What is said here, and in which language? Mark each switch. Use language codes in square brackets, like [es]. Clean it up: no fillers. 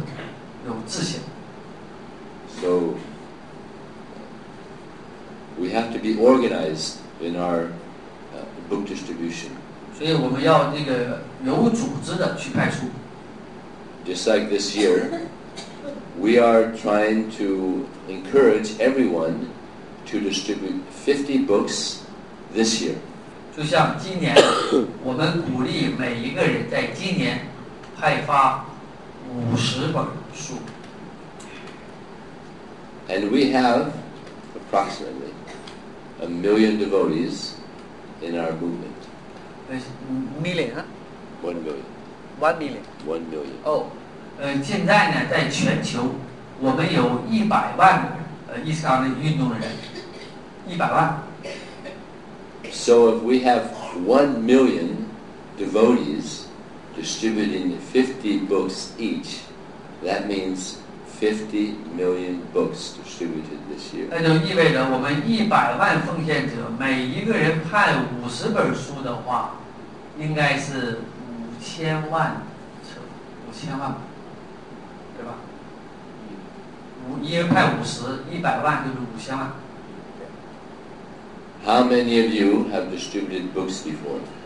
[zh] 所以Prabhupada最后给他叙事，就是如何让这个运动继续发展。他说，一个是组织，一个是有智慧、有自信。 [en] So we have to be organized in our book distribution. [zh] 所以我们要这个有组织的去派出。 [en] Just like this year, we are trying to encourage everyone to distribute 50 books this year. [zh] 就像今年，我们鼓励每一个人在今年派发50本书。 [en] And we have approximately 1 million devotees in our movement. Million, huh? 1 million. 1 million. Oh. [zh] 现在呢在全球, 我们有一百万伊斯兰的运动人。100万。 [en] So if we have 1 million devotees distributing 50 books each, that means 50 million books distributed this year. [zh] 那就意味着我们一百万奉献者每一个人看50本书的话, 应该是五千万册，五千万，对吧？五，一人派五十，一百万就是五千万。 [en] How many of you have distributed books before?